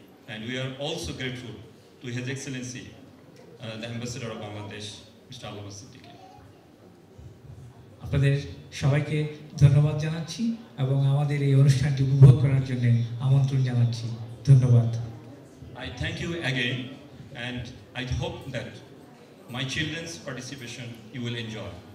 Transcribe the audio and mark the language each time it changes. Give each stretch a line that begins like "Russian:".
English: And we are also grateful to His Excellency, the Ambassador of Bangladesh, Mr. Allamah Siddiqui.
Bangla: আপনাদের সবাইকে ধন্যবাদ জানাচ্ছি এবং আমাদের এই অনুষ্ঠানটি উপভোগ করার জন্য আমন্ত্রণ জানাচ্ছি ধন্যবাদ
English: I thank you again and I hope that my children's participation you will enjoy.